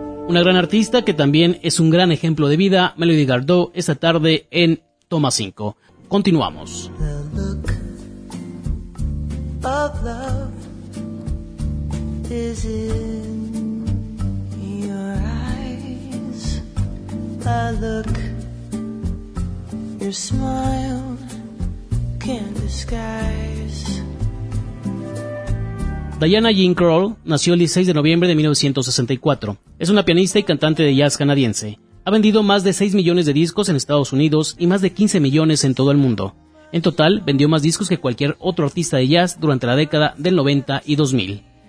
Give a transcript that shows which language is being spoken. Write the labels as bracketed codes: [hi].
[es] Una gran artista que también es un gran ejemplo de vida, Melody Gardot, esta tarde en Toma 5. Continuamos. [en] The look of love is in your eyes. A look, your smile can't disguise. [es] Diana Jean Krall nació el 16 de noviembre de 1964. Es una pianista y cantante de jazz canadiense. Ha vendido más de 6 millones de discos en Estados Unidos y más de 15 millones en todo el mundo. En total, vendió más discos que cualquier otro artista de jazz durante la década del 90 y 2000.